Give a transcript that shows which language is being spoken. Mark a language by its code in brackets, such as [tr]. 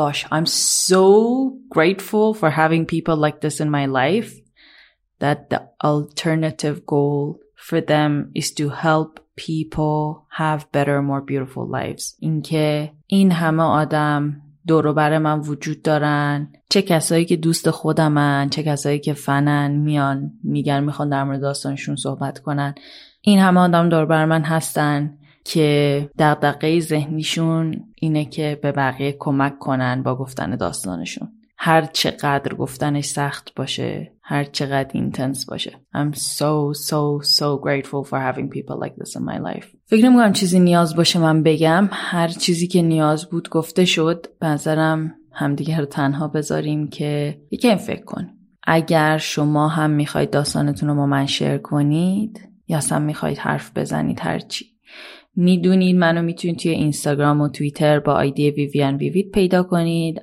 [en] I'm so grateful for having people like this in my life, that the alternative goal for them is to help people have better, more beautiful lives. [fa] این که این همه آدم دور و بر من وجود دارن، چه کسایی که دوست خودمن، چه کسایی که فنن، میان میگن میخوان در مورد داستانشون صحبت کنن، این همه آدم دور بر من هستن که دغدغه ذهنیشون اینه که به بقیه کمک کنن با گفتن داستانشون، هر چقدر گفتنش سخت باشه، هر چقدر اینتنس باشه. [en] I'm so grateful for having people like this in my life. [fa] فکر نمی‌کنم چیزی نیاز باشه من بگم، هر چیزی که نیاز بود گفته شد. بنظرم همدیگر رو تنها بذاریم که یکم فکر کن. اگر شما هم می‌خواید داستانتون رو با من شیر کنید یا هم می‌خواید حرف بزنید، هر چی میدونید منو میتونید توی اینستاگرام و توییتر با آیدی ویویان ویوید پیدا کنید.